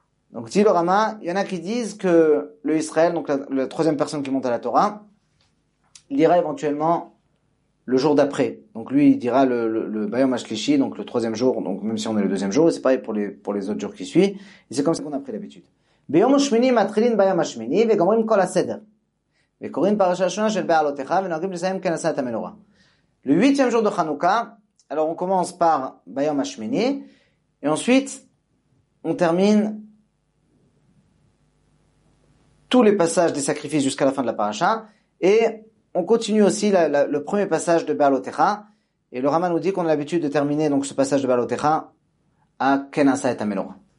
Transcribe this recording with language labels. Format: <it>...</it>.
<fr>Donc, dit le Rama, il y en a qui disent que le Israël, donc la troisième personne qui monte à la Torah, lira éventuellement le jour d'après. Donc, lui, il dira le Bayom HaShlishi, donc le troisième jour, donc même si on est le deuxième jour, et c'est pareil pour les autres jours qui suivent. Et c'est comme ça qu'on a pris l'habitude.</fr> <he>ביום השמיני מתחילים ביום השמיני וגומרים כל הסדר. וקוראים פרשה השונה של בעלותיך ונוהגים לסיים כנסת המנורה.</he> <fr>Le huitième jour de Hanouka, alors on commence par ביום השמיני, et ensuite on termine tous les passages des sacrifices jusqu'à la fin de la parasha, et on continue aussi le premier passage de בעלותיך, et le Rama nous dit qu'on a l'habitude de terminer donc ce passage de בעלותיך à כנסת המנורה.</fr>